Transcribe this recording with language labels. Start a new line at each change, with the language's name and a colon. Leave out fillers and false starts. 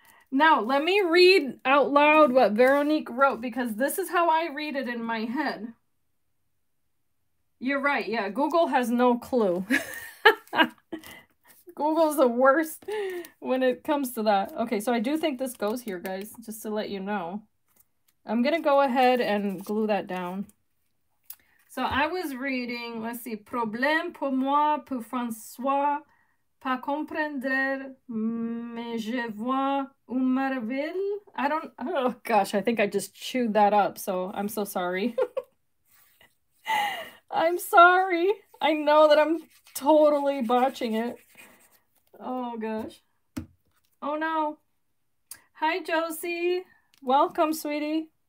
English: Now, let me read out loud what Veronique wrote, because this is how I read it in my head. You're right. Yeah, Google has no clue. Google's the worst when it comes to that. Okay, so I do think this goes here, guys, just to let you know. I'm gonna go ahead and glue that down. So I was reading, let's see,
French: problème pour moi, pour François, pas comprendre, mais je vois une merveille.
English: I don't, oh gosh, I think I just chewed that up, so I'm so sorry. I'm sorry. I know that I'm totally botching it. Oh gosh. Oh no. Hi, Josie. Welcome, sweetie.